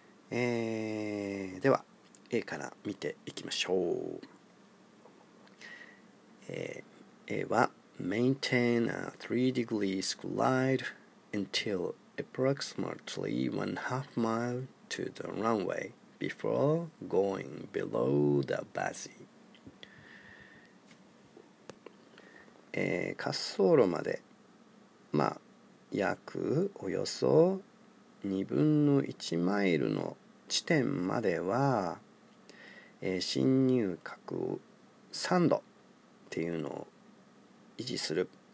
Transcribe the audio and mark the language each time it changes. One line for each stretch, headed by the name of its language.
Japanese: では A から見ていきましょう。 A は
English: maintain a 3 degrees glide until approximately 1/2 mile to the runway before going below the base。
Japanese: 滑走路まで、まあ、約およそ2分の1マイルの地点までは、進入角を3度っていうのを維持する。